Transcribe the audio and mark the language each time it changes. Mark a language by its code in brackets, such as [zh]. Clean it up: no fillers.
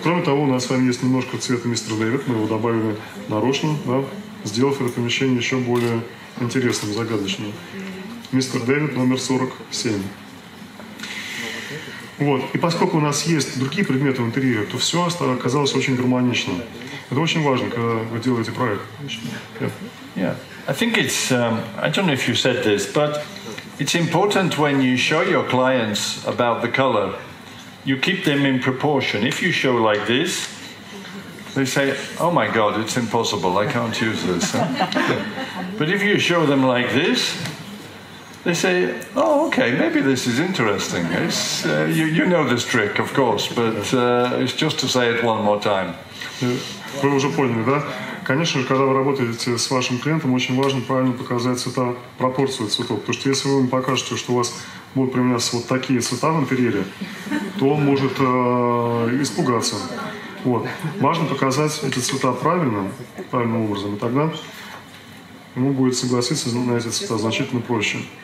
[ru] Кроме того, у нас с вами есть немножко цвета мистера Дэвид, мы его добавили нарочно, да, сделав это помещение еще более интересным, загадочным. Мистер Дэвид номер 47. Вот. И поскольку у нас есть другие предметы в интерьере, то все оказалось очень гармонично. Это очень важно, когда вы делаете проект. [en] Yeah. I think it's, I don't know if you said this, but it's important when you show your clients about the color, you keep them in proportion. If you show like this, they say, oh my God, it's impossible, I can't use this. But if you show them like this, they say, oh, okay, maybe this is interesting. It's, you know this trick, of course, but it's just to say it one more time. [ru] Вы уже поняли, да? Конечно же, когда вы работаете с вашим клиентом, очень важно правильно показать цвета, пропорцию цветов. Потому что если вы ему покажете, что у вас будут применяться вот такие цвета в интерьере, то он может испугаться. Вот. Важно показать эти цвета правильно, правильным образом, и тогда ему будет согласиться на эти цвета значительно проще.